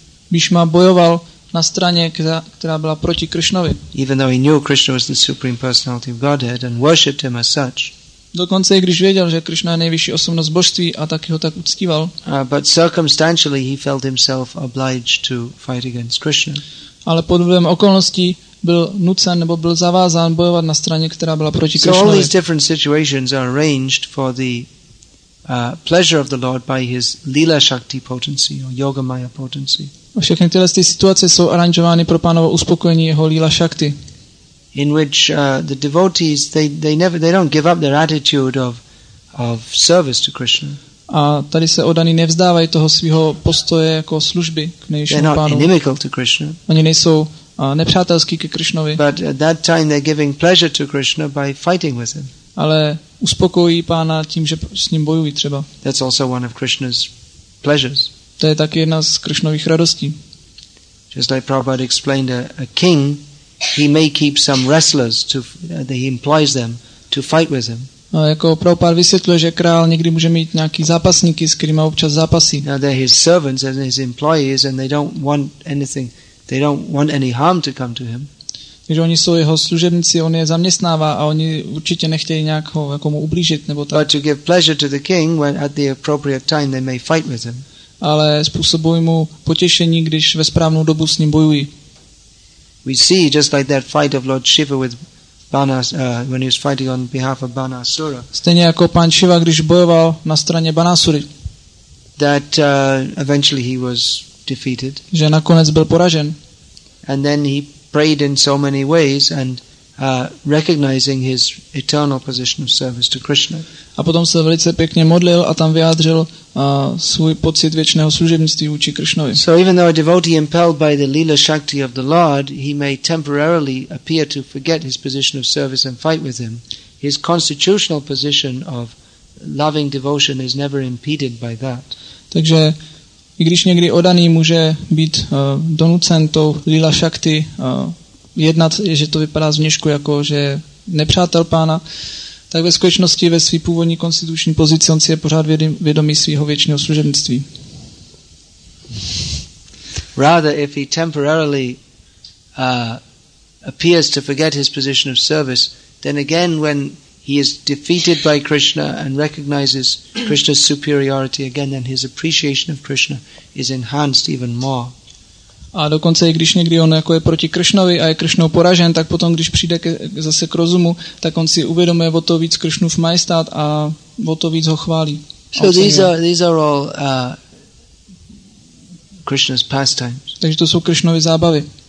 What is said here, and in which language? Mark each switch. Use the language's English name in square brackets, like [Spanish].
[Czech] Bhishma bojoval na straně, která byla proti Krishnovi. [English] Even though he knew Krishna was the supreme personality of Godhead and worshipped him as such. [Czech] Dokonce i když věděl, že Krishna je nejvyšší osobnost božství a taky ho tak uctíval. [English] But circumstantially he felt himself obliged to fight against Krishna. [Czech] Ale pod vlivem okolností byl nucen nebo byl zavázán bojovat na straně, která byla proti Krishnovi. [English] So all these different situations are arranged for the pleasure of the Lord by his lila shakti potency or yoga maya potency. [Czech] Všechny tyhle situace jsou aranžovány pro pánovo uspokojení jeho lila shakti. [English] In which the devotees they don't give up their attitude of service to Krishna. [Czech] A tady se odaní nevzdávají toho svého postoje jako služby k nejvyššímu pánu. [English] Inimical to Krishna. [Czech] Oni nejsou nepřátelský ke Krishnovi. [English] But at that time they're giving pleasure to Krishna by fighting with him. [Czech] Ale uspokojí pána tím, že s ním bojují třeba. [English] That's also one of Krishna's pleasures. [Czech] To je taky jedna z Krishnových radostí. [English] Just like Prabhupada explained, a king, he may keep some wrestlers to he employs them to fight with him. [Czech] No, jako Prabhupada vysvětluje, že král někdy může mít nějaký zápasníky, s kterými občas zápasí. [English] Now they're his servants and his employees and they don't want anything. They don't want any harm to come to him. [Czech] Takže oni jsou jeho služebníci, on je zaměstnává a oni určitě nechtějí nějak ho jako mu ublížit nebo tak. [English] But to give pleasure to the king when at the appropriate time they may fight with him. [Czech] Ale způsobují mu potěšení, když ve správnou dobu s ním bojují. [English] We see just like that fight of Lord Shiva with Banas when he was fighting on behalf of Banasura. [Czech] Stejně jako pan Shiva, když bojoval na straně Banasury. [English] That eventually he was defeated. [Czech] Že nakonec byl poražen. [English] And then he prayed in so many ways and recognizing his eternal position of service to Krishna. [Czech] A potom se velice pěkně modlil a tam vyjádřil svůj pocit věčného služebnictví vůči Krishnovi. [English] So even though a devotee impelled by the lila shakti of the Lord, he may temporarily appear to forget his position of service and fight with him, his constitutional position of loving devotion is never impeded by that. [Czech] Takže i když někdy odaný může být donucen tou lila shakti jednat, že to vypadá zvnějšku jako, že nepřátel pána, tak ve skutečnosti ve své původní konstituční pozici on si je pořád vědomý svého věčného služebnictví. [English] Rather, if he temporarily appears to forget his position of service, then again when he is defeated by Krishna and recognizes Krishna's superiority again, then his appreciation of Krishna is enhanced even more. [Czech] A dokonce i když někdy on jako je proti Krishnovi a je Krishnou poražen, tak potom, když přijde zase k rozumu, tak on si uvědomuje o to víc Krishnův majestát a o to víc ho chválí. [English] So these are all Krishna's pastimes. [Czech] Takže to jsou Krishnovy zábavy.